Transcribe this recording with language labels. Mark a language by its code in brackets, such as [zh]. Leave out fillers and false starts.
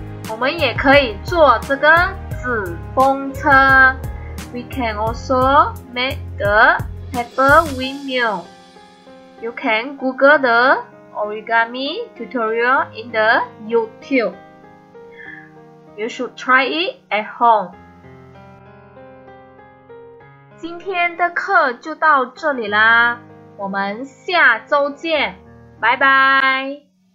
[zh] 我们也可以做这个纸风车。 [en] We can also make the paper windmill. You can Google the origami tutorial in the YouTube. You should try it at home. [zh] 今天的课就到这里啦，我们下周见，拜拜。